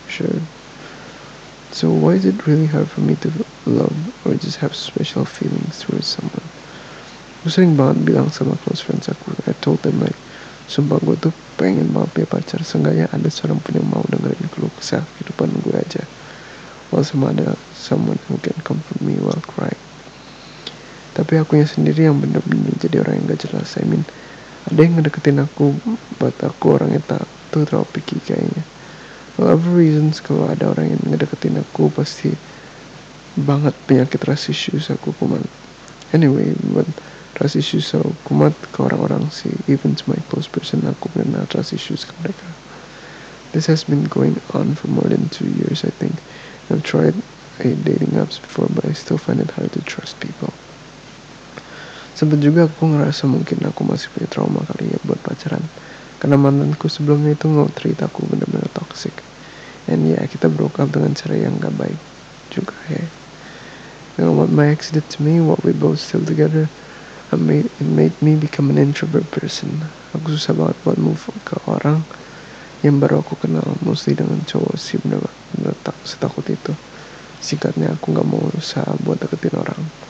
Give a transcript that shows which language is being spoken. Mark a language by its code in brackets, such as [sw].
[en] Sure. So why is it really hard for me to love or just have special feelings towards someone? [id] Aku sering banget bilang sama [en] close friends [id] aku. [en] I told them like, [id] sumpah gue tuh pengen banget punya pacar, seenggaknya ada seorang pun yang mau dengerin keluh kesah kehidupan gue aja. [en] While [id] sama ada [en] someone who can comfort me while crying. [id] Tapi akunya sendiri yang bener-bener jadi orang yang gak jelas. [en] I mean, [id] ada yang ngedeketin aku, buat aku orangnya tuh terlalu picky kayaknya. [en] Whatever reasons, [id] kalau ada orang yang ngedeketin aku, pasti banget penyakit trust issues aku kumat. [en] Anyway, but trust issues so [id] kumat ke orang-orang sih. [en] Even to my close person, [id] aku pernah trust issues ke mereka. [en] This has been going on for more than 2 years, I think. I've tried a dating apps before, but I still find it hard to trust people. [id] Sempat juga aku ngerasa mungkin aku masih punya trauma kali ya buat pacaran. Karena mantanku sebelumnya itu nge-treat aku benar-benar toxic. [en] And yeah, [id] kita [en] broke up [id] dengan cara yang gak baik juga ya. [en] You know what my ex did to me, what we both still together, it made me become an introvert person. [id] Aku susah banget buat move ke orang yang baru aku kenal, [en] mostly [id] dengan cowok sih benar-benar setakut itu. Singkatnya aku gak mau usaha buat deketin orang.